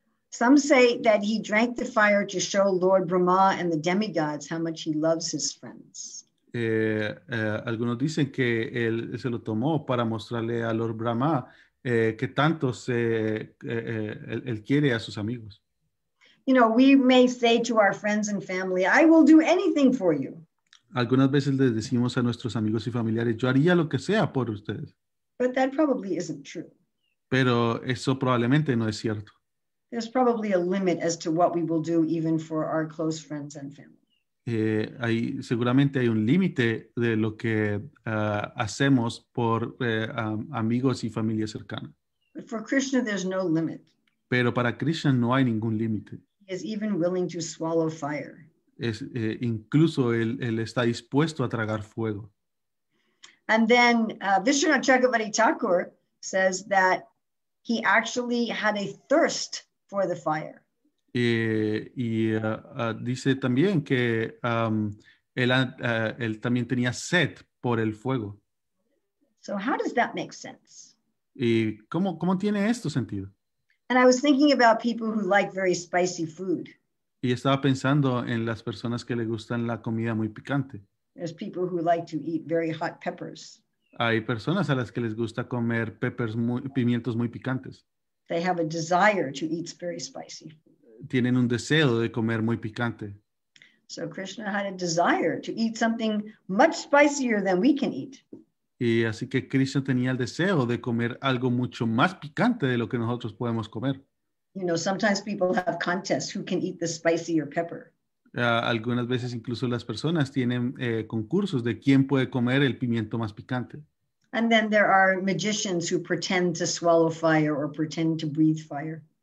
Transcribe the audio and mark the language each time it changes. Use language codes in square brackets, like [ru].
[en] Some say that he drank the fire to show Lord Brahma and the demigods how much he loves his friends. [es] Algunos dicen que él se lo tomó para mostrarle a Lord Brahma que tanto él quiere a sus amigos. [en] You know, we may say to our friends and family, I will do anything for you. [es] Algunas veces les decimos a nuestros amigos y familiares, yo haría lo que sea por ustedes. [en] But that probably isn't true. [es] Pero eso probablemente no es cierto. [en] There's probably a limit as to what we will do even for our close friends and family. [es] Seguramente hay un límite de lo que hacemos por amigos y familia cercana. [en] But for Krishna, there's no limit. [es] Pero para Krishna no hay ningún límite. [en] He is even willing to swallow fire. [es] Incluso él está dispuesto a tragar fuego. [en] And then Vishnu Chakravarti Thakur says that he actually had a thirst for the fire. [es] Dice también que él también tenía sed por el fuego. [en] So how does that make sense? [es] ¿Y cómo tiene esto sentido? [en] And I was thinking about people who like very spicy food. [es] Y estaba pensando en las personas que le gustan la comida muy picante. [en] There's people who like to eat very hot peppers. [es] Hay personas a las que les gusta comer pimientos muy picantes. [en] They have a desire to eat very spicy. [es] Tienen un deseo de comer muy picante. [en] So Krishna had a desire to eat something much spicier than we can eat. [es] Y así que Krishna tenía el deseo de comer algo mucho más picante de lo que nosotros podemos comer. [en] You know, sometimes people have contests who can eat the spicier pepper. [es] Algunas veces incluso las personas tienen concursos de quién puede comer el pimiento más picante. [en] And then there are magicians who pretend to swallow fire or pretend to breathe fire.